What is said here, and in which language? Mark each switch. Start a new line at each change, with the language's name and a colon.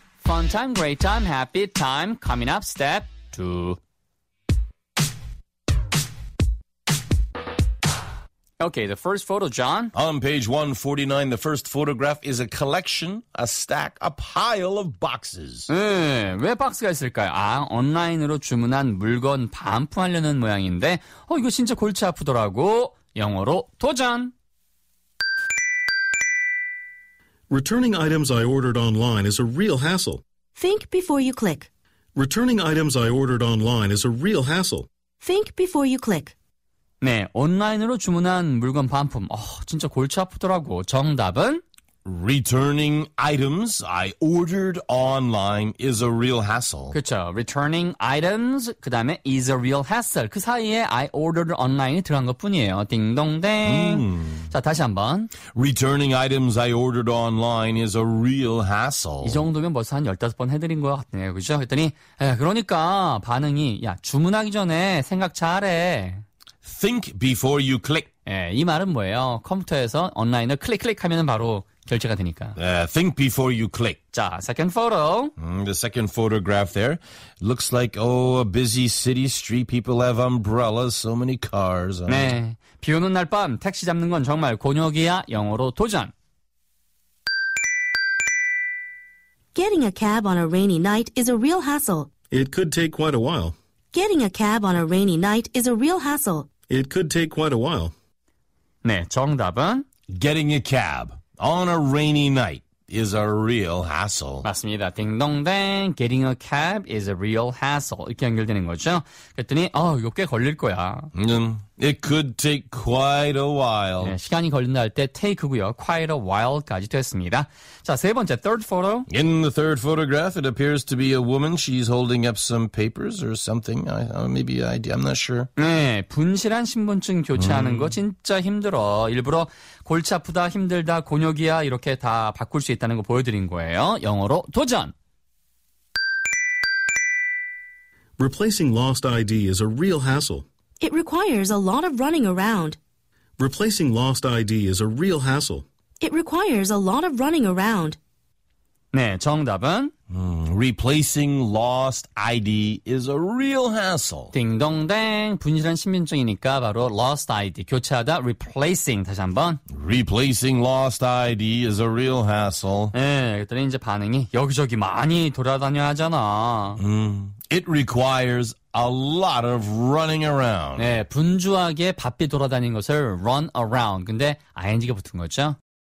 English: Fun time, great time, happy time. Coming up, step two.
Korean: 오케이,
English: the first photo, John. On page 149, the first photograph is a collection, a stack, a pile of boxes.
Korean: 왜 박스가 있을까요? 아, 온라인으로 주문한 물건 반품하려는 모양인데, 이거 진짜 골치 아프더라고. 영어로 도전.
English: Returning items I ordered online is a real hassle. Think before you click. Returning items I ordered online is a real hassle. Think before you click.
Korean: 네, 온라인으로 주문한 물건 반품. 진짜 골치 아프더라고. 정답은?
English: Returning items I ordered online is a real hassle.
Korean: 그렇죠.
English: Returning items,
Korean: 그 다음에
English: is a real hassle.
Korean: 그 사이에 I ordered online이 들어간 것뿐이에요. 딩동댕. 자, 다시 한번.
English: Returning items I ordered online is a real hassle.
Korean: 이 정도면 벌써 한 15번 해드린 것 같네요. 그렇죠? 그랬더니 그러니까 반응이 야 주문하기 전에 생각 잘해.
English: Think before you click.
Korean: 예, 이 말은 뭐예요? 컴퓨터에서 온라인을 클릭클릭 하면은 바로 결제가 되니까.
English: Think before you click. 자, second photo. The second photograph there looks like a busy city street. People have umbrellas. So many cars.
Korean: 네, 비 오는 날 밤 택시 잡는 건 정말 곤욕이야. 영어로 도전.
English: Getting a cab on a rainy night is a real hassle. It could take quite a while. Getting a cab on a rainy night is a real hassle. It could take quite a while.
Korean: 네, 정답은
English: Getting a cab on a rainy night is a real hassle.
Korean: 맞습니다. 딩동댕.
English: Getting a cab is a real hassle.
Korean: 이렇게 연결되는 거죠. 그랬더니 이거 꽤 걸릴 거야.
English: It could take quite a while.
Korean: 네, 시간이 걸린다 할 때 take고요.
English: Quite a while
Korean: 까지 됐습니다. 자, 세 번째,
English: third photo. In the third photograph, it appears to be a woman. She's holding up some papers or something. Maybe I'm not sure.
Korean: 네, 분실한 신분증 교체하는 거 진짜 힘들어. 일부러 골치 아프다, 힘들다, 곤욕이야 이렇게 다 바꿀 수 있다는 거 보여드린 거예요. 영어로 도전!
English: Replacing lost ID is a real hassle. It requires a lot of running around. Replacing lost ID is a real hassle. It requires a lot of running around.
Korean: 네, 정답은?
English: Replacing lost ID is a real hassle.
Korean: 딩동댕, 분실한 신분증이니까 바로 lost ID, 교체하다, replacing, 다시 한번.
English: Replacing lost ID is a real hassle.
Korean: 네, 그랬더니 이제 반응이 여기저기 많이 돌아다녀야 하잖아.
English: It requires a lot of running around.
Korean: 네, 분주하게 바삐 돌아다닌 것을
English: run around.
Korean: 근데 ing가 붙은 거죠.